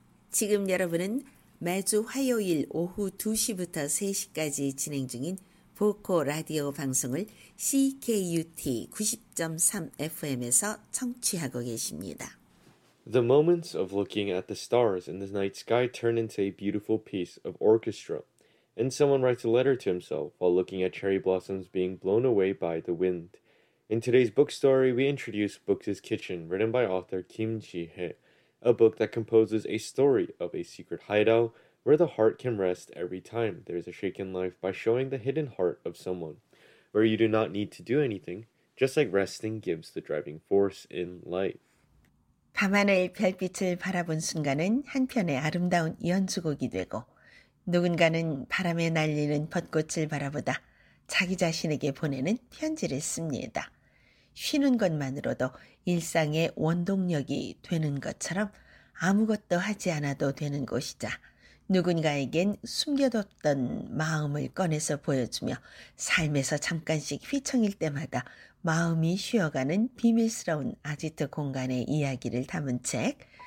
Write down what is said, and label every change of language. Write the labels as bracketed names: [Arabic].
[Korean] 지금 여러분은 매주 화요일 오후 2시부터 3시까지 진행 중인 보코 라디오 방송을 CKUT 90.3 FM에서 청취하고 계십니다. [English] The moments of looking at the stars in the night sky turn into a beautiful piece of orchestra. And someone writes a letter to himself while looking at cherry blossoms being blown away by the wind. In today's book story, we introduce Books is Kitchen, written by author Kim Ji-hye, a book that composes a story of a secret hideout where the heart can rest every time there is a shaken life by showing the hidden heart of someone, where you do not need to do anything, just like resting gives the driving force in life. [Korean] 밤하늘 별빛을 바라본 순간은 한 편의 아름다운 연주곡이 되고, 누군가는 바람에 날리는 벚꽃을 바라보다 자기 자신에게 보내는 편지를 씁니다. 쉬는 것만으로도 일상의 원동력이 되는 것처럼 아무것도 하지 않아도 되는 곳이자 누군가에겐 숨겨뒀던 마음을 꺼내서 보여주며 삶에서 잠깐씩 휘청일 때마다 마음이 쉬어가는 비밀스러운 아지트 공간의 이야기를 담은 책.